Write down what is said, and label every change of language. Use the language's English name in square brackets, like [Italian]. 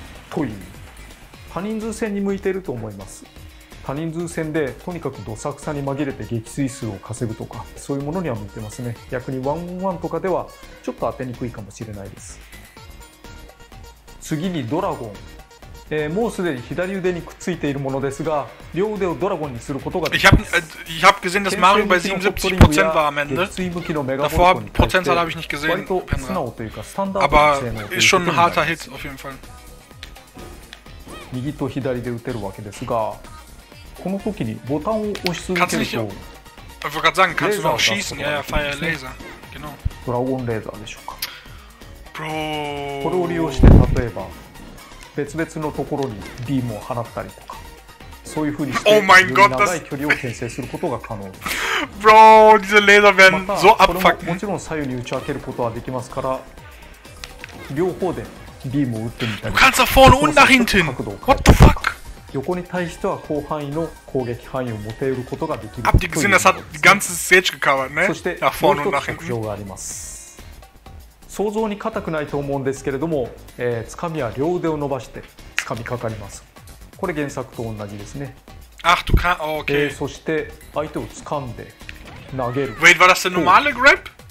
[Japanese] という多人数戦に向いていると思います。多人数戦でとにかくどさくさに紛れて撃墜数を稼ぐとかそういうものには向いてますね。逆にワンオンワンとかではちょっと当てにくいかもしれないです。次にドラゴン、もうすでに左腕にくっついているものですが両腕をドラゴンにすることができます。 [German] Ich habe gesehen, dass Mario bei 77% war am Ende. Davor Potenzial habe ich nicht gesehen, Penra. Aber ist schon ein harter Hit auf jeden Fall. [Japanese] 右と左で打てるわけですがこの時にボタンを押し続けると [German] Ich wollte gerade sagen, kannst du noch schießen? Ja, Fire Laser. Genau. [Japanese] ドラゴンレーザーでしょうか。 [English] Bro. [Japanese] これを利用して例えば別々のところにビームを放ったりとかそういう風にして長い距離を牽制することが可能です。 [German] Bro, diese Laser werden so abfucken. [Japanese] またこれももちろん左右に打ち分けることはできますから両方でビームを打ってみたり [German] Du kannst da vorne und nach hinten. [English] What the fuck? [Japanese] 横に対しては広範囲の攻撃範囲を持てることができる。 [German] Habt ihr gesehen, das hat die ganze Stage gecovert, ne? [Japanese] そしてもう一つ特徴があります。想像に固くないと思うんですけれども、つかみは両腕を伸ばしてつかみかかります。これ原作と同じですね。 [German] Ach, du kann...、okay. [Japanese] そして相手をつかんで投げる。 [German] Wait, war das der normale grip?